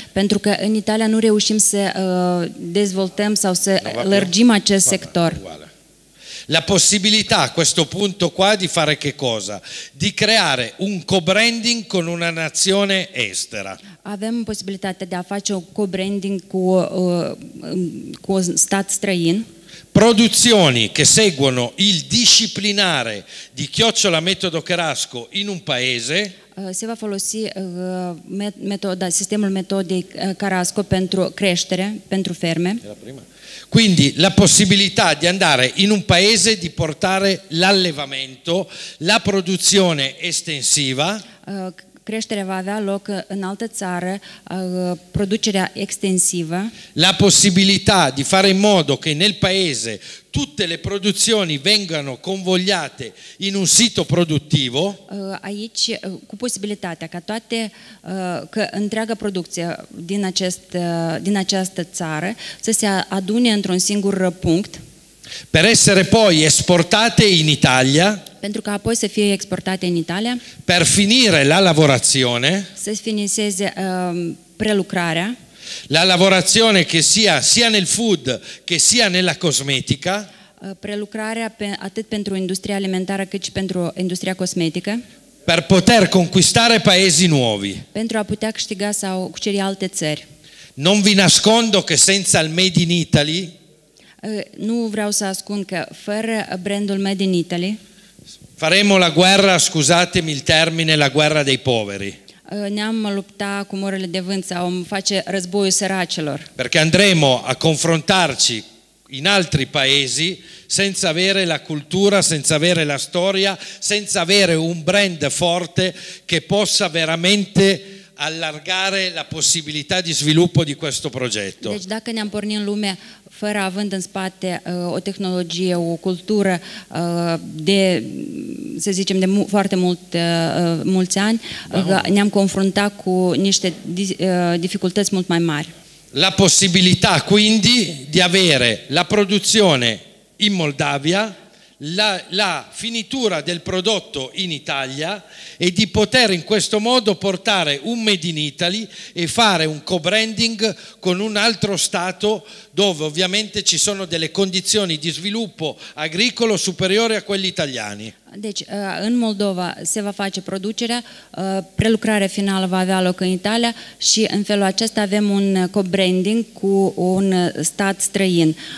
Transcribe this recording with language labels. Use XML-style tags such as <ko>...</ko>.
<ro>Pentru că în Italia nu reușim să dezvoltăm sau să lărgim acest sector.</ro> <it>La possibilità a questo punto qua di fare che cosa? Di creare un co-branding con una nazione estera.</it> <ro>Avem posibilitatea de a face un co-branding cu cu un stat străin.</ro> <it>Produzioni che seguono il disciplinare di Chiocciola Metodo Cherasco in un paese.</it> <ro>Se va folosi metoda, sistemul metodic Cherasco pentru creștere, pentru ferme.</ro> <it>Quindi la possibilità di andare in un paese, di portare l'allevamento, la produzione estensiva.</it> <ro>Creșterea va avea loc în altă țară, producerea extensivă.</ro> <it>La possibilità di fare in modo che nel paese tutte le produzioni vengano convogliate in un sito produttivo.</it> <ro>Aici, cu posibilitatea ca toate, că întreaga producție din, din această țară să se adune într-un singur punct.</ro> <it>Per essere poi esportate in Italia.</it> <ro>Pentru ca apoi să fie exportate în Italia.</ro> <it>Per finire la lavorazione.</it> <ro>Să finiseze prelucrarea.</ro> <it>La lavorazione che sia sia nel food che sia nella cosmetica.</it> <ro>Prelucrarea pe, atât pentru industria alimentară cât și pentru industria cosmetică.</ro> <it>Per poter conquistare paesi nuovi.</it> <ro>Pentru a putea câștiga sau cuceri alte țări.</ro> <it>Non vi nascondo che senza il Made in Italy.</it> <ro>Nu vreau să ascund că fără brandul Made in Italy.</ro> <it>Faremo la guerra, scusatemi il termine, la guerra dei poveri.</it> <ro>Ne-am lupta cu morile de vânt sau îmi face războiul săracilor.</ro> <it>Perché andremo a confrontarci in altri paesi senza avere la cultura, senza avere la storia, senza avere un brand forte che possa veramente allargare la possibilità di sviluppo di questo progetto.</it> <ro>Deci dacă ne-am pornit în lume fără având în spate o tehnologie, o cultură de, să zicem, de foarte mult, mulți ani, ne-am confruntat cu niște dificultăți mult mai mari. La posibilitate,</ro> <it>quindi, di avere la produzione in Moldavia, la finitura del prodotto in Italia e di poter in questo modo portare un Made in Italy e fare un co-branding con un altro stato dove ovviamente ci sono delle condizioni di sviluppo agricolo superiori a quelli italiani.</it> <ro>Deci, în Moldova se va face producerea, prelucrarea finală va avea loc în Italia și în felul acesta avem un co-branding cu un stat străin.</ro>